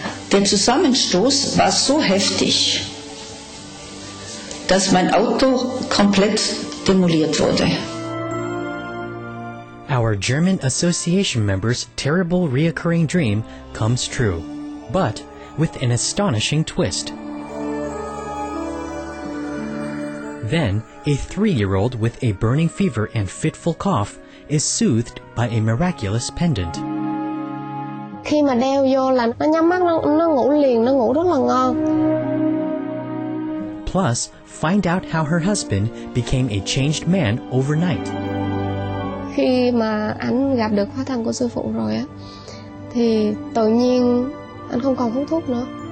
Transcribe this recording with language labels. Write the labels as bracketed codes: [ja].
[de] Der Zusammenstoß war so heftig, dass mein Auto komplett demoliert wurde. [en] Our German Association member's terrible reoccurring dream comes true, but with an astonishing twist. Then, a 3-year-old with a burning fever and fitful cough is soothed by a miraculous pendant. [vi] Khi mà đeo vô là nó nhắm mắt nó ngủ liền, nó ngủ rất là ngon. [en] Plus, find out how her husband became a changed man overnight. [vi] Khi mà anh gặp được hóa thân của sư phụ rồi á, thì tự nhiên anh không còn hút thuốc nữa.